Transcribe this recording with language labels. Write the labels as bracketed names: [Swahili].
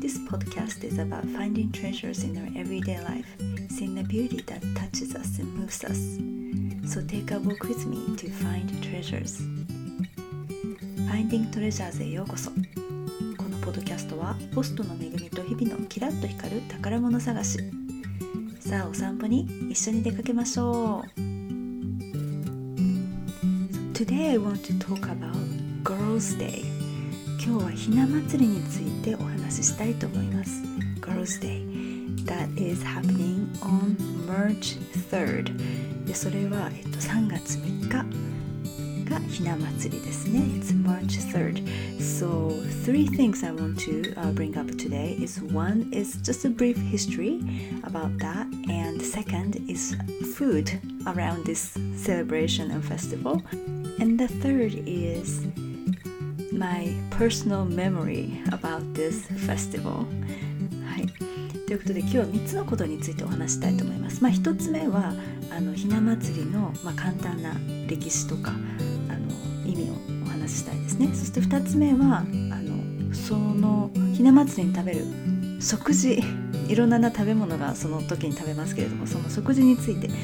[English] This podcast is about finding treasures in our everyday life, seeing the beauty that touches us and moves us. So take a walk with me to find treasures. [Japanese] Finding Treasures へようこそ。このポッドキャストは、ホストの Megumi と日々のキラッと光る宝物探し。さあ、お散歩に一緒に出かけましょう。 [English] Today I want to talk about Girls' Day. [Japanese] 今日はひな祭りについてお話ししたいと思います。 [English] Girls' Day. That is happening on March 3rd. [Japanese] で、それは3月3日がひな祭りですね。 [English] It's March 3rd. So, three things I want to bring up today is one is just a brief history about that, and second is food around this celebration and festival. And the third is my personal memory about this festival. [Japanese] はい。ということで今日は3つのことについてお話したいと思います。まあ1つ目はひな祭りの、まあ、簡単な歴史とか意味をお話ししたいですね。そして2つ目はそのひな祭りに食べる食事、いろんな食べ物がその時に食べますけれども、その食事について。